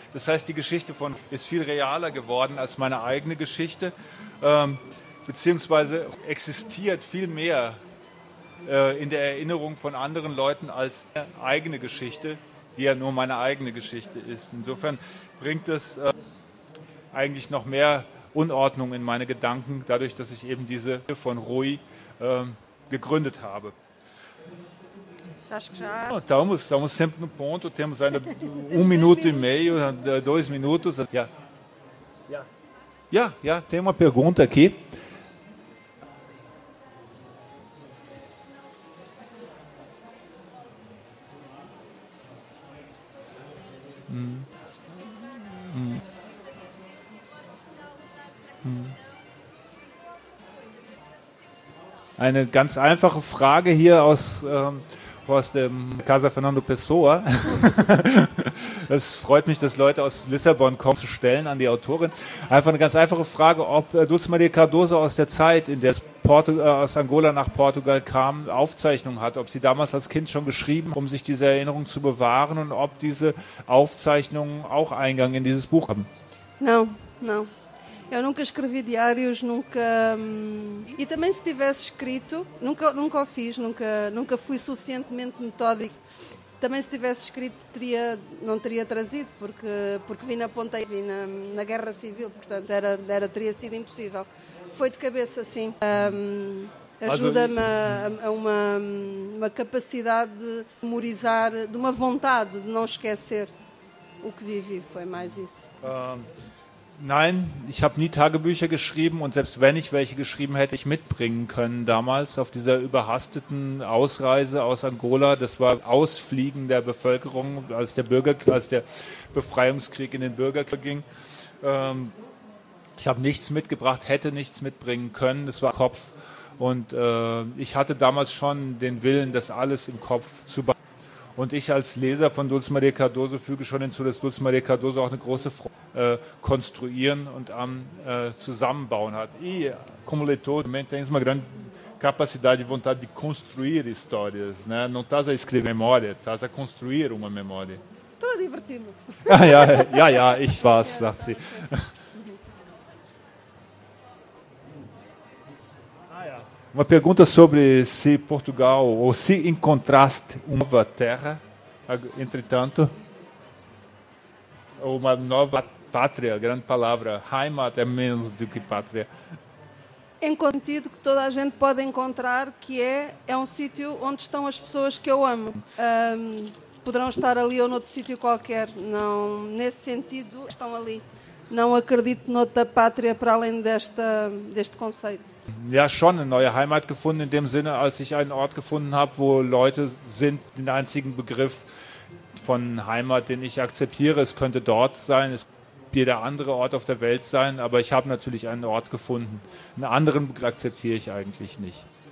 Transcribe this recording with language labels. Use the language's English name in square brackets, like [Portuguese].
[German] Das heißt, die Geschichte von Rui ist viel realer geworden als meine eigene Geschichte, beziehungsweise existiert viel mehr in der Erinnerung von anderen Leuten als meine eigene Geschichte, die ja nur meine eigene Geschichte ist. Insofern bringt es eigentlich noch mehr Unordnung in meine Gedanken, dadurch, dass ich eben diese von Rui gegründet habe. [Portuguese] Estamos sempre no ponto, temos ainda minuto e meio, dois minutos. Ja, tem uma pergunta aqui. [German] Eine ganz einfache Frage hier aus dem Casa Fernando Pessoa. Es freut mich, dass Leute aus Lissabon kommen, zu stellen an die Autorin. Einfach eine ganz einfache Frage, ob Dulce Maria Cardoso aus der Zeit, in der es aus Angola nach Portugal kam, Aufzeichnungen hat, ob sie damals als Kind schon geschrieben, um sich diese Erinnerung zu bewahren und ob diese Aufzeichnungen auch Eingang in dieses Buch haben. [Portuguese] Não. Eu nunca escrevi diários, nunca... E também se tivesse escrito, nunca o fiz, nunca fui suficientemente metódico. Também se tivesse escrito, não teria trazido, porque vim na ponta, vim na Guerra Civil, portanto, teria sido impossível. Foi de cabeça, sim. Ajuda-me a uma capacidade de memorizar, de uma vontade de não esquecer o que vivi, foi mais isso. [German] Nein, ich habe nie Tagebücher geschrieben und selbst wenn ich welche geschrieben hätte, ich mitbringen können damals auf dieser überhasteten Ausreise aus Angola. Das war Ausfliegen der Bevölkerung, als der Befreiungskrieg in den Bürgerkrieg ging. Ich habe nichts mitgebracht, hätte nichts mitbringen können. Das war Kopf und ich hatte damals schon den Willen, das alles im Kopf zu behalten. Und ich als Leser von Dulce Maria Cardoso füge schon hinzu, dass Dulce Maria Cardoso auch eine große Freude konstruieren und am Zusammenbauen hat. [Portuguese] E, como leitor, também tens uma grande capacidade e vontade de construir histórias, né? Não estás a escrever memória, estás a construir uma memória. Estou a divertir-me. [German] Ja, ich war's, sagt sie. [Portuguese] Uma pergunta sobre se Portugal ou se encontraste uma nova terra, entretanto, ou uma nova pátria, grande palavra, Heimat é menos do que pátria. Encontido que toda a gente pode encontrar, que é um sítio onde estão as pessoas que eu amo. Poderão estar ali ou noutro sítio qualquer, não, nesse sentido estão ali. Não acredito noutra pátria para além deste conceito. [German] Ja, schon eine neue Heimat gefunden, in dem Sinne, als ich einen Ort gefunden habe, wo Leute sind, den einzigen Begriff von Heimat, den ich akzeptiere. Es könnte dort sein, es könnte jeder andere Ort auf der Welt sein, aber ich habe natürlich einen Ort gefunden. Einen anderen Begriff akzeptiere ich eigentlich nicht.